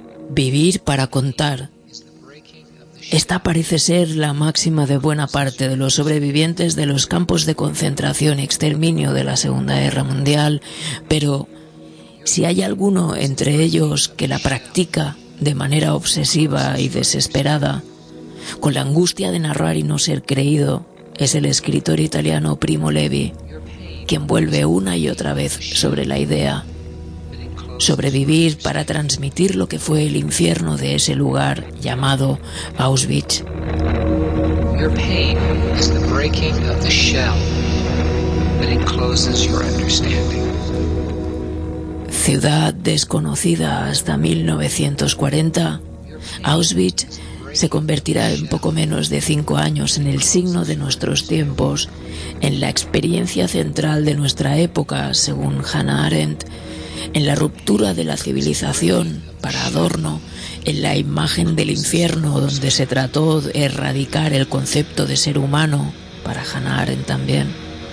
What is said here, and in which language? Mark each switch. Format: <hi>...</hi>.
<es>Vivir para contar. Esta parece ser la máxima de buena parte de los sobrevivientes de los campos de concentración y exterminio de la Segunda Guerra Mundial, pero si hay alguno entre ellos que la practica de manera obsesiva y desesperada, con la angustia de narrar y no ser creído, es el escritor italiano Primo Levi, quien vuelve una y otra vez sobre la idea. Sobrevivir para transmitir lo que fue el infierno de ese lugar llamado Auschwitz.</es> <en>Your pain is the breaking of the shell that encloses your understanding.</en> <es>Ciudad desconocida hasta 1940, Auschwitz se convertirá en poco menos de 5 años en el signo de nuestros tiempos, en la experiencia central de nuestra época, según Hannah Arendt, en la ruptura de la civilización, para Adorno, en la imagen del infierno donde se trató de erradicar el concepto de ser humano, para Hannah Arendt también.</es>